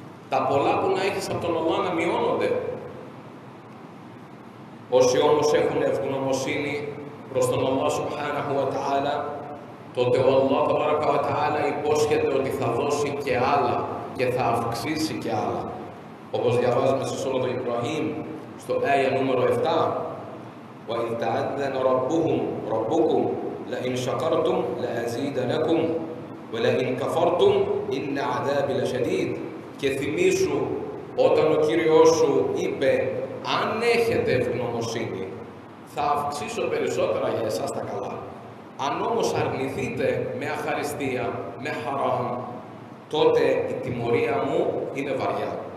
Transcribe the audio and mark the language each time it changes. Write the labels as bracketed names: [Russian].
[Greek] Τα πολλά που να έχεις από τον Αλλάχ να μειώνονται. Όσοι όμως έχουν ευγνωμοσύνη προς τον Αλλάχ Σουμπχάνεχου Βετεάλα, τότε ο Αλλάχ Τεβάρακα Βετεάλα υπόσχεται ότι θα δώσει και άλλα και θα αυξήσει και άλλα. Όπως διαβάζουμε στη Σούρα του Ιμπραχήμ, στο άγιο νούμερο 7, [Arabic] وَإِذْ تَعَذَّنَ رَبُّهُمْ رَبُّكُمْ لَإِنْ شَكَرْتُمْ لَأَزِيدَ لَكُمْ وَلَإِنْ كَفَرْتُمْ إِنَّ عَذَابِ لَشَدِيدٌ. [Greek] Και θυμίσου όταν ο Κύριός σου είπε, αν έχετε ευγνωμοσύνη, θα αυξήσω περισσότερα για εσάς τα καλά. Αν όμως αρνηθείτε με αχαριστία, με χαρά, τότε η τιμωρία μου είναι βαριά.